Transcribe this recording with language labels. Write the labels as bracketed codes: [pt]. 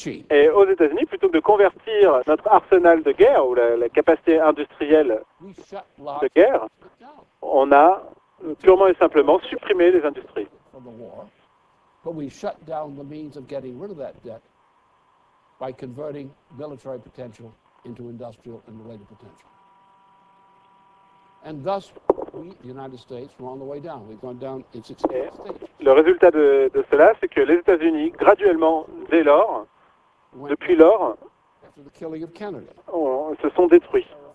[fr] Et aux États-Unis, plutôt que de convertir notre arsenal de guerre ou la capacité industrielle de guerre, on a purement et simplement supprimé les industries. Mais on a [en] shut down the means of getting rid of that debt by converting military potential into industrial and related potential. And thus, we, the United States, were on the way down. We've gone down in 16 states. [fr] Le résultat de cela, c'est que les États-Unis, graduellement, dès lors, depuis lors, se sont détruits.